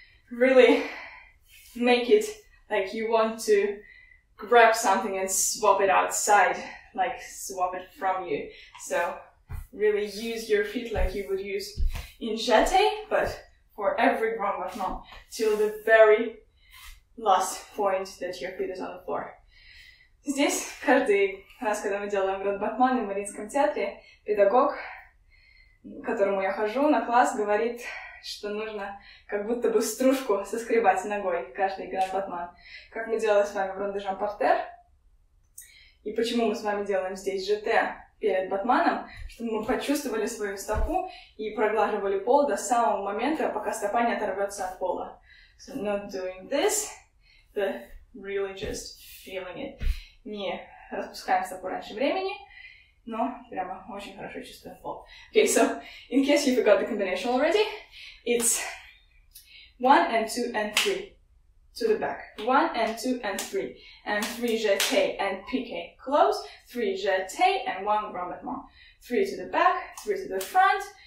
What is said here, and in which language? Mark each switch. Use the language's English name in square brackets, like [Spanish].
[English] Really make it like you want to grab something and swap it outside, like swap it from you. So really use your feet like you would use in jeté, but for every grand battement till the very last point that your feet is on the floor. [Russian] Здесь каждый раз, когда мы делаем grand battement в Мариинском театре, педагог, которому я хожу на класс, говорит, что нужно как будто бы стружку соскребать ногой каждый grand battement. Как мы делали с вами в Ронде Жан Портер, и почему мы с вами делаем здесь жете перед батманом, чтобы мы почувствовали свою стопу и проглаживали пол до самого момента, пока стопа не оторвется от пола. [English] So not doing this, but really just feeling it. [Russian] Не распускаем стопу раньше времени, но прямо очень хорошо чувствуем пол. [English] Okay, so in case you forgot the combination already, it's one and two and three to the back. One and two and three. And three jeté and piqué close. Three jeté and one grand battement. Three to the back, three to the front.